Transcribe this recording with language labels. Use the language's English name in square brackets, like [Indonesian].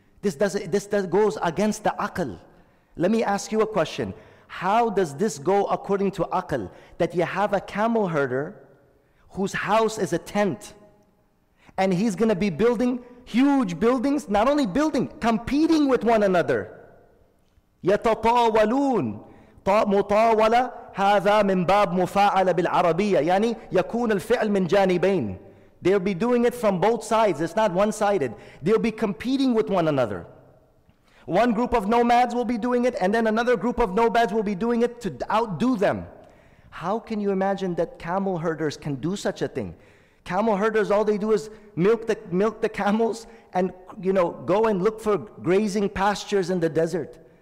[English] This goes against the aql. Let me ask you a question. How does this go according to aql? That you have a camel herder whose house is a tent, and he's going to be building huge buildings, not only building, competing with one another. [Arabic] يتطاولون مطاولة هذا من باب مفاعل بالعربية يعني يكون الفعل من جانبين. [English] They'll be doing it from both sides. It's not one-sided. They'll be competing with one another. One group of nomads will be doing it, and then another group of nomads will be doing it to outdo them. How can you imagine that camel herders can do such a thing? Camel herders, all they do is milk the camels and, you know, go and look for grazing pastures in the desert.